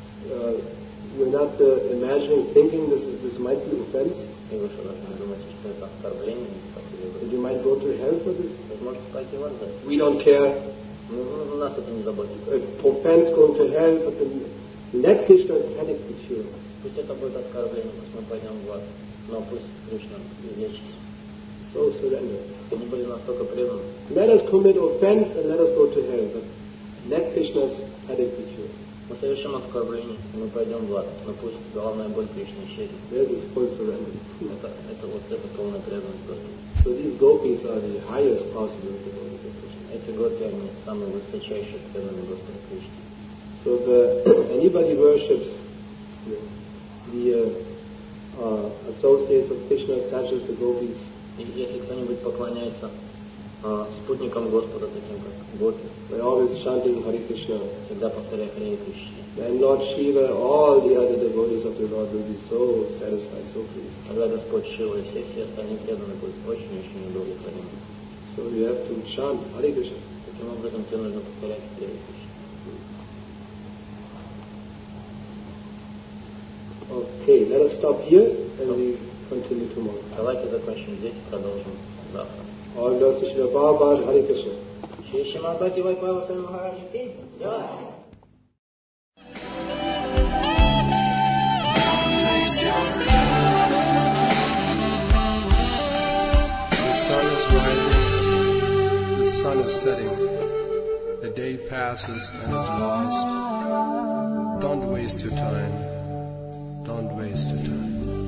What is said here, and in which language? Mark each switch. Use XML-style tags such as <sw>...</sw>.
<en>You're not imagining, thinking this might be offense.</en> <ru>И вы что, должны думать, что это оскорбление?</ru> <en>You might go to hell for this?</en> <ru>Возможно, пойти в ад.</ru> <en>We don't care.</en> <ru>Ну, нас это не заботит.</ru> <en>Offense going to hell, but then let Krishna's headache be cured.</en> <ru>Пусть это будет оскорбление, пусть мы пойдем в ад. Но пусть Кришна излечится.</ru> <en>So surrender.</en> <ru>Они были настолько преданы.</ru> <en>Let us commit offense and let us go to hell, but let Krishna's headache be cured.</en> <ru>Мы совершим оскорбление, и мы пойдем в ад. Но пусть головная боль Кришны исчезнет.</ru> <en>That is full surrender.</en> <ru>Это полная преданность Господу.</ru> <en>So these gopis are the highest possible devotees of Krishna.</en> <ru>Эти гопи, они самые высочайшие преданные Господу Кришне.</ru> <en>So the anybody worships the associates of Krishna, such as the gopis.</en> <ru>И если кто-нибудь поклоняется спутникам Господа, таким как гопи,</ru> <en>they're always chanting Hare Krishna.</en> <ru>Всегда повторяя Hare Krishna.</ru> <en>Then Lord Shiva, all the other devotees of the Lord will be so satisfied, so pleased.</en> <ru>Тогда Господь Шива и все остальные преданные будут очень-очень удовлетворены.</ru> <en>So you have to chant Hare Krishna.</en> <ru>Таким образом, тебе нужно повторять Hare Krishna.</ru> <en>Okay, let us stop here and we continue tomorrow.</en> <ru>Давайте закончим здесь и продолжим завтра.</ru> <en>All glories to Shiva Prabhupada, Hare Krishna. The sun is rising, the sun is setting, the day passes and is lost. Don't waste your time, don't waste your time.</en>